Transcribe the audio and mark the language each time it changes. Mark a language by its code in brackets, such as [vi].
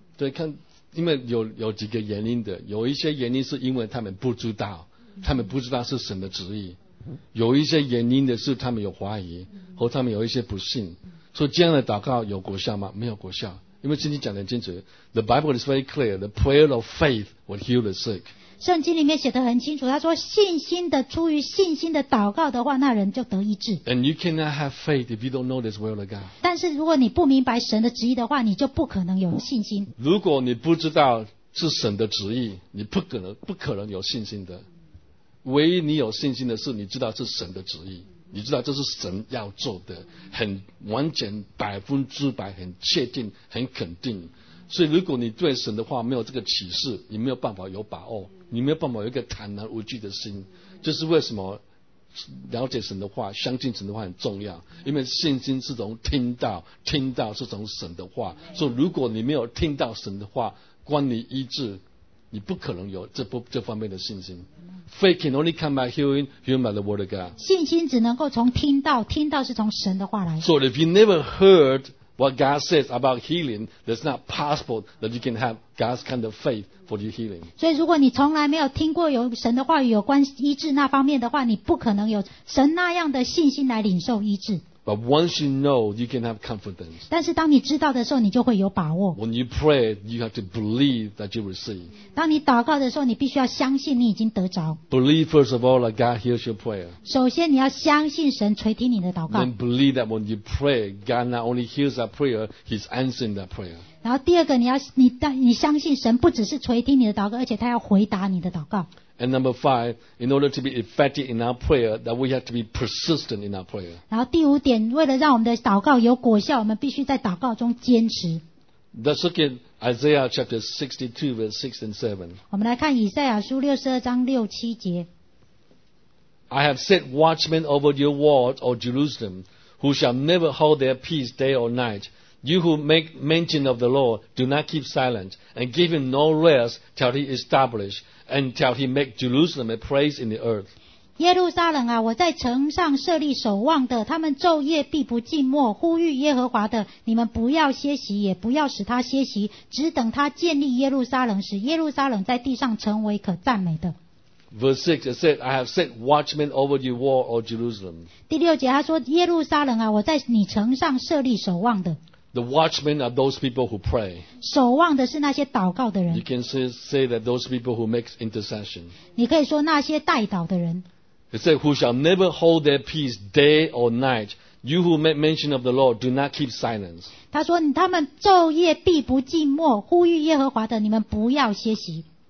[zh] 对，看，因为有几个原因的，有一些原因是因为他们不知道是神的旨意，有一些原因的是他们有怀疑，或他们有一些不信。所以这样的祷告有果效吗？没有果效，因为圣经讲得很清楚。 [en] The Bible is very clear. The prayer of faith will heal the sick. [zh] 圣经里面写得很清楚，他说信心的出于信心的祷告的话，那人就得医治。 [en] And you cannot have faith if you don't know this will of God. [zh] 但是如果你不明白神的旨意的话，你就不可能有信心。如果你不知道是神的旨意，你不可能有信心的。唯一你有信心的是你知道是神的旨意。你知道这是神要做的，很完全百分之百很确定很肯定。所以如果你对神的话没有这个启示，你没有办法有把握，你没有办法有一个坦然无惧的心。这是为什么了解神的话，相信神的话很重要。因为信心是从听到，听到是从神的话。所以如果你没有听到神的话关你医治，你不可能有这方面的信心。 [en] Faith can only come by hearing, hearing by the word of God. [zh] 信心只能够从听到，听到是从神的话来。 [en] So if you never heard what God says about healing, it's not possible that you can have God's kind of faith for your healing. [zh] 所以如果你从来没有听过有神的话语有关医治那方面的话，你不可能有神那样的信心来领受医治。 [en] But once you know, you can have confidence. [zh] 但是当你知道的时候，你就会有把握。 [en] When you pray, you have to believe that you receive. [zh] 当你祷告的时候，你必须要相信你已经得着。 [en] Believe first of all that God hears your prayer. [zh] 首先你要相信神垂听你的祷告。 [en] Then believe that when you pray, God not only hears that prayer, He's answering that prayer. [zh] 然后第二个，你相信神不只是垂听你的祷告，而且他要回答你的祷告。 [en] And number five, in order to be effective in our prayer, that we have to be persistent in our prayer. [zh] 然后第五点，为了让我们的祷告有果效，我们必须在祷告中坚持。 [en] Let's look at Isaiah chapter 62, verse 6 and 7. [zh] 我们来看以赛亚书62章六七节。 [en] I have set watchmen over your walls, O Jerusalem, who shall never hold their peace day or night. You who make mention of the Lord, do not keep silent, and give him no rest till he establish.And shall he make Jerusalem a praise in the earth? [zh] 耶路撒冷啊，我在城上设立守望的，他们昼夜必不静默，呼吁耶和华的，你们不要歇息，也不要使他歇息，只等他建立耶路撒冷，使耶路撒冷在地上成为可赞美的。 [en] Verse 6, it said, I have set watchmen over your wall, O Jerusalem. [zh] 第六节他说，耶路撒冷啊，我在你城上设立守望的。 [en] The watchmen are those people who pray. [zh] 守望的是那些祷告的人。 [en] You can say that those people who make intercession. [zh] 你可以说那些代祷的人。 [en] It said, who shall never hold their peace day or night. You who make mention of the Lord, do not keep silence. [zh] 他说，他们昼夜必不静默，呼吁耶和华的，你们不要歇息。